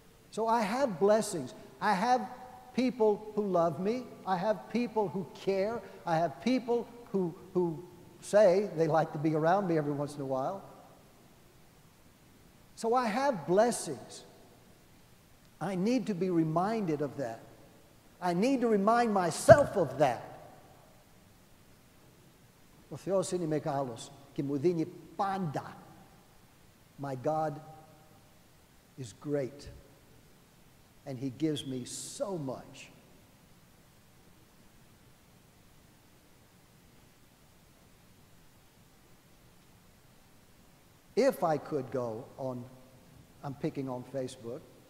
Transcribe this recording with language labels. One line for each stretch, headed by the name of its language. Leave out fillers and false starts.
English: So I have blessings. I have people who love me, I have people who care, I have people who say they like to be around me every once in a while. So I have blessings. I need to be reminded of that. I need to remind myself of that.
Greek: Ο Θεός είναι μεγάλος και μου δίνει πάντα.
English: My God is great, and He gives me so much. If I could go on, I'm picking on Facebook.